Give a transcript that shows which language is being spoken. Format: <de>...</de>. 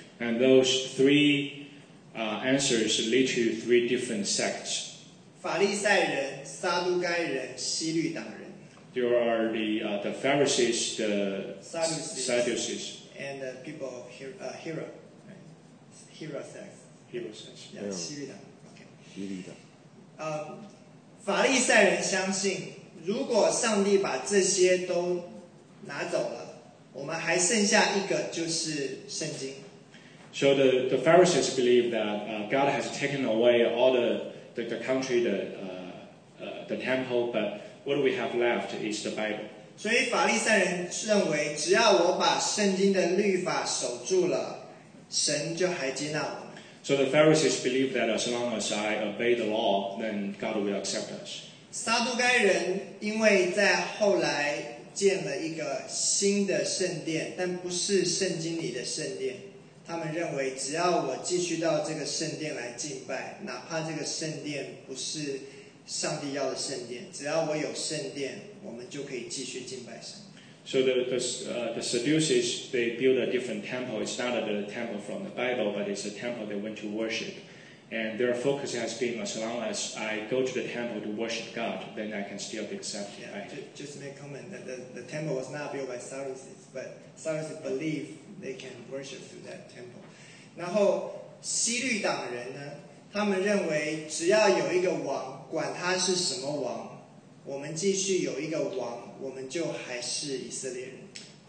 <en>And those three answers lead to three different sects.</en> <zh>法利赛人、撒都该人、西律党人。</zh> <en>There are the Pharisees, the Sadducees, and the people of Hira, right? Hira sect. Hira sect. Yeah, 西律党。Okay.</en> <zh>西律党。法利赛人相信，如果上帝把这些都拿走了，我们还剩下一个，就是圣经。</zh> <en>So the Pharisees believe that God has taken away all the country, the temple, but What we have left is the Bible.</en> <zh>所以法利赛人认为，只要我把圣经的律法守住了，神就还接纳我。</zh> <en>So the Pharisees believe that as long as I obey the law, then God will accept us.</en> <zh>撒都该人因为在后来建了一个新的圣殿，但不是圣经里的圣殿。他们认为，只要我继续到这个圣殿来敬拜，哪怕这个圣殿不是上帝要的圣殿，只要我有圣殿，我们就可以继续敬拜神。</zh> <en>So the Sadducees, they build a different temple. It's not a temple from the Bible, but it's a temple they went to worship. And their focus has been, as long as I go to the temple to worship God, then I can still be accepted. Yeah, just make comment that the temple was not built by Sadducees, but Sadducees believe they can worship through that temple.</en> <zh>然后西律党人呢，他们认为只要有一个王，管他是什么王，我们继续有一个王，我们就还是以色列人。</zh>